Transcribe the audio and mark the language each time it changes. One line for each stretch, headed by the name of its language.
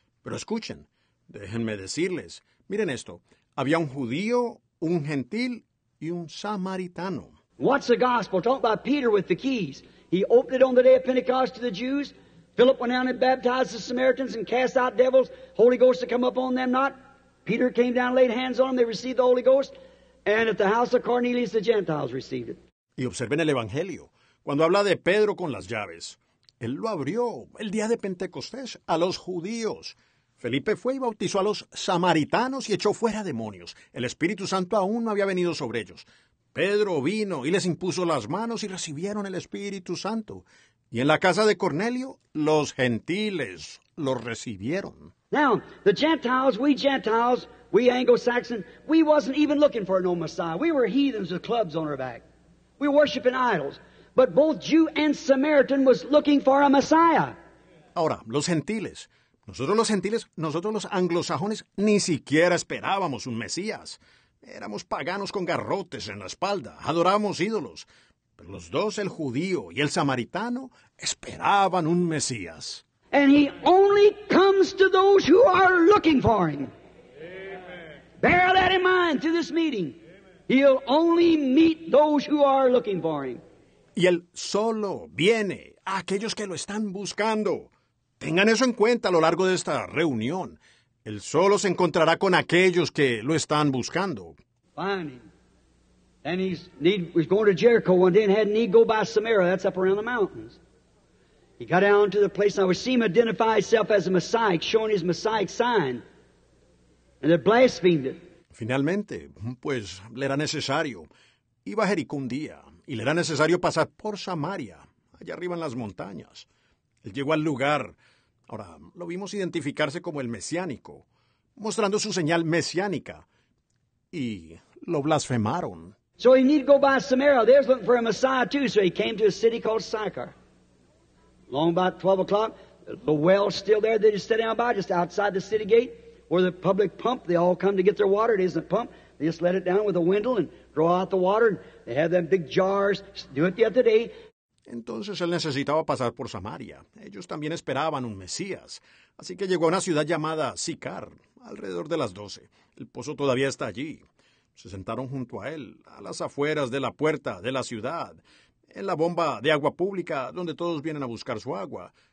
Spanish: Pero escuchen, déjenme decirles. Miren esto. Había un judío, un gentil y un samaritano.
English: What's the gospel? Talked about Peter with the keys. He opened it on the day of Pentecost to the Jews. Philip went out and baptized the Samaritans and cast out devils. Holy Ghost to come up on them not. Peter came down and laid hands on them. They received the Holy Ghost. And at the house of Cornelius, the Gentiles received it.
Spanish: Y observen el Evangelio. Cuando habla de Pedro con las llaves, él lo abrió el día de Pentecostés a los judíos. Felipe fue y bautizó a los samaritanos y echó fuera demonios. El Espíritu Santo aún no había venido sobre ellos. Pedro vino y les impuso las manos y recibieron el Espíritu Santo. Y en la casa de Cornelio, los gentiles los recibieron.
English: Now, the Gentiles, we Anglo-Saxons, we wasn't even looking for no Messiah. We were heathens with clubs on our back. We were worshiping idols. But both Jew and Samaritan was looking for a Messiah.
Spanish: Ahora, los gentiles. Nosotros los anglosajones, ni siquiera esperábamos un Mesías. Éramos paganos con garrotes en la espalda. Adorábamos ídolos. Pero los dos, el judío y el samaritano, esperaban un Mesías.
English: And he only comes to those who are looking for him. Amen. Bear that in mind through this meeting. Amen. He'll only meet those who are looking for him.
Spanish: Y él solo viene a aquellos que lo están buscando. Tengan eso en cuenta a lo largo de esta reunión. Él solo se encontrará con aquellos que lo están buscando.
English: Find him. And he's going to Jericho one day and had need go by Samaria. That's up around the mountains. He got down to the place and I would see him identify himself as a Messiah, showing his Messiah sign. And they blasphemed it.
Spanish: Finalmente, pues, le era necesario. Iba a Jericó un día. Y le era necesario pasar por Samaria, allá arriba en las montañas. Él llegó al lugar. Ahora, lo vimos identificarse como el mesiánico, mostrando su señal mesiánica. Y lo blasfemaron.
English: So he needed to go by Samaria. They were looking for a Messiah too. So he came to a city called Sychar. Along about 12 o'clock, the well still there that he sat down by, just outside the city gate. where the public pump, they all come to get their water. It isn't a pump. They just let it down with a windle and draw out the water. They have them big jars. Do it the other day.
Spanish: Entonces él necesitaba pasar por Samaria. Ellos también esperaban un Mesías. Así que llegó a una ciudad llamada Sicar, alrededor de las 12. El pozo todavía está allí. Se sentaron junto a él, a las afueras de la puerta de la ciudad, en la bomba de agua pública donde todos vienen a buscar su agua.